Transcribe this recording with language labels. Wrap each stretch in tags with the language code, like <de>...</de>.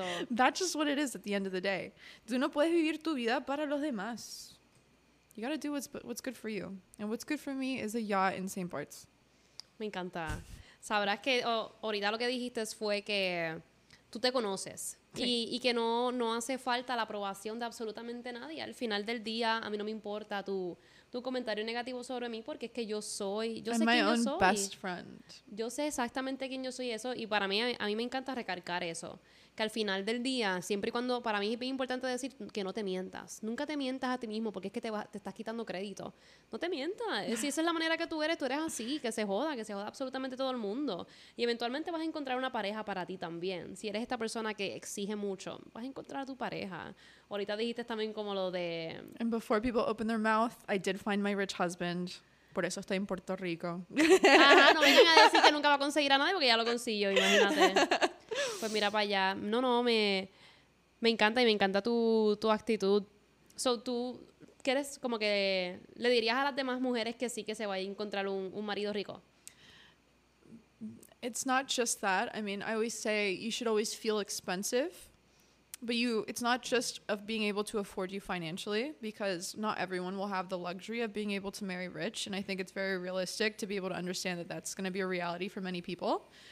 <en>That's just what it is at the end of the day.</en> <es>Tú no puedes vivir tu vida para los demás.</es> <en>You got to do what's good for you. And what's good for me is a yacht in St. Barts.</en> <es>Me encanta. Sabrás que ahorita lo que dijiste fue que tú te conoces. Okay. Y que no hace falta la aprobación de absolutamente nadie. Al final del día, a mí no me importa tu comentario negativo sobre mí, porque es que yo soy, yo</es> <en>I'm</en> <es>sé quién yo soy.</es> <en>My own best friend.</en> <es>Yo sé exactamente quién yo soy eso, y para mí, a mí me encanta recalcar eso, que al final del día, siempre y cuando, para mí es bien importante decir que no te mientas, nunca te mientas a ti mismo, porque es que te estás quitando crédito. No te mientas, si esa es la manera que tú eres así, que se joda absolutamente todo el mundo, y eventualmente vas a encontrar una pareja para ti también. Si eres esta persona que exige mucho, vas a encontrar a tu pareja. Ahorita dijiste también como lo de...</es> <en>And before people open their mouth, I did find my rich husband.</en> <es>Por eso estoy en Puerto Rico. Ajá, no vengan a decir que nunca va a conseguir a nadie porque ya lo consiguió, imagínate. Pues mira para allá. No, me encanta y me encanta tu actitud. So, ¿tú quieres como que le dirías a las demás mujeres que sí, que se vaya a encontrar un marido rico?</es> <en>It's not just that. I mean, I always say you should always feel expensive. But it's not just of being able to afford you financially, because not everyone will have the luxury of being able to marry rich. And I think it's very realistic to be able to understand that that's going to be a reality for many people.</en>